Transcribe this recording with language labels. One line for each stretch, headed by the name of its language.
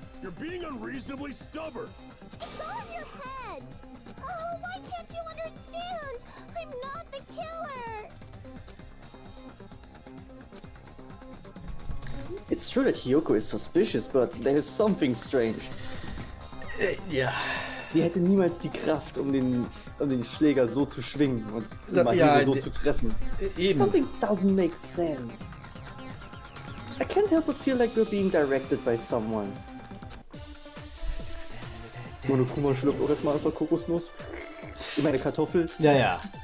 English: You're being unreasonably stubborn. It's all in your head. Oh, why can't you understand? I'm not the killer. It's true that Hyoko is suspicious, but there is something strange. Yeah.
German: Sie hätte niemals die Kraft, um den Schläger so zu schwingen und Mahiru so zu treffen. Eben.
English: Something doesn't make sense. I can't help but feel like we're being directed by someone.
German: Monokuma schlüpft auch erstmal aus der Kokosnuss. Ich meine Kartoffel. Ja, ja.